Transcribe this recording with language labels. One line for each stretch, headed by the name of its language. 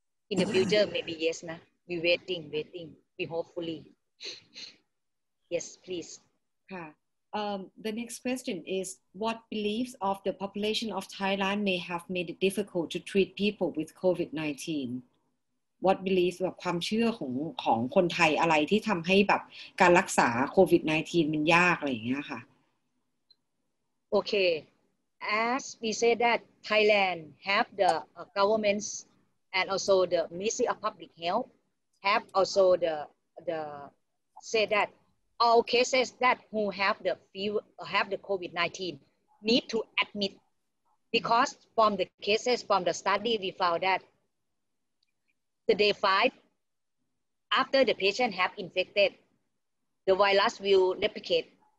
English: In the future, maybe yes, nah? We waiting, we hopefully. Yes, please. The next question is, what beliefs of the population of Thailand may have made it difficult to treat people with COVID-19? What beliefs of
Thai: ความเชื่อของคนไทยอะไรที่ทำให้แบบการรักษาโควิด -19 มันยากอะไรอย่างเงี้ยค่ะ
English: Okay, as we say that Thailand have the governments and also the Ministry of Public Health have also the say that all cases that who have the fever, have the COVID-19 need to admit, because from the cases, from the study, we found that the day 5, after the patient have infected, the virus will replicate.